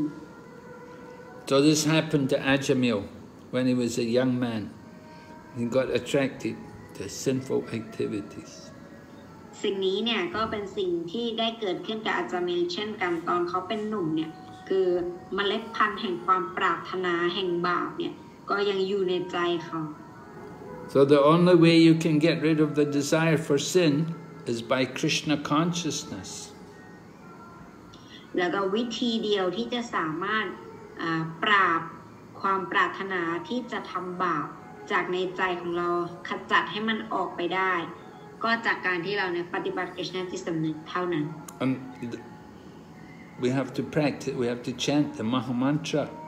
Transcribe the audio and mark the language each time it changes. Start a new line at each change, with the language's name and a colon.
English: So this happened to Ajamil when he was a young man. He got attracted to sinful activities.
Thai: สิ่งนี้เนี่ยก็เป็นสิ่งที่ได้เกิดขึ้นกับอาจามิลเช่นกันตอนเขาเป็นหนุ่มเนี่ยคือเมล็ดพันธุ์แห่งความปรารถนาแห่งบาปเนี่ยก็ยังอยู่ในใจเขา
English: So the only way you can get rid of the desire for sin is by Krishna consciousness.
Thai: แล้วก็วิธีเดียวที่จะสามารถปราบความปรารถนาที่จะทำบาปจากในใจของเราขจัดให้มันออกไปได้ก็จากการที่เราเนี่ยปฏิบัติ Krishna ที่สำนึกเท่านั้น
English: And we have to practice, we have to chant the Maha Mantra.